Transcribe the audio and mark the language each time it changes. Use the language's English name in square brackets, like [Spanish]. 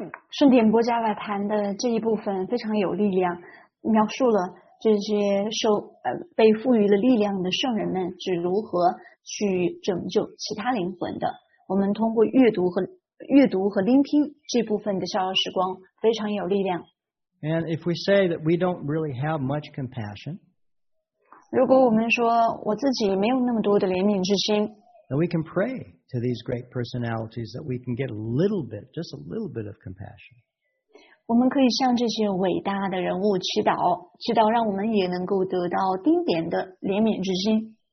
[Chinese] 圣典波迦瓦坛的这一部分非常有力量，描述了这些受被赋予了力量的圣人们是如何去拯救其他灵魂的。我们通过阅读和聆听这部分的逍遥时光非常有力量。 [English] And if we say that we don't really have much compassion, [Chinese] 如果我们说我自己没有那么多的怜悯之心, [English] then we can pray to these great personalities that we can get a little bit, just a little bit of compassion. [Chinese] 我们可以向这些伟大的人物祈祷让我们也能够得到丁点的怜悯之心。